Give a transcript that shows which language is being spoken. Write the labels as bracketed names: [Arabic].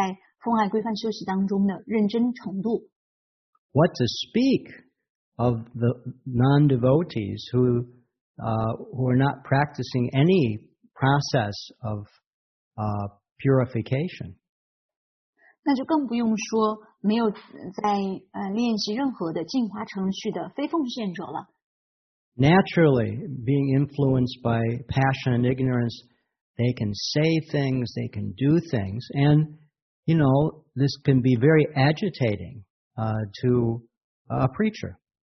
[Chinese] 一个奉献者在多大程度上受低等物质沾心态的影响，当然这也取决于他过往的业报积累，以及他在奉爱规范修习当中的认真程度。 [English] What to speak of the non-devotees who are not practicing any process of purification? [Chinese] 那就更不用说没有在练习任何的净化程序的非奉献者了。 [English] Naturally, being influenced by passion and ignorance, they can say things, they can do things, and, you know, this can be very agitating to a preacher.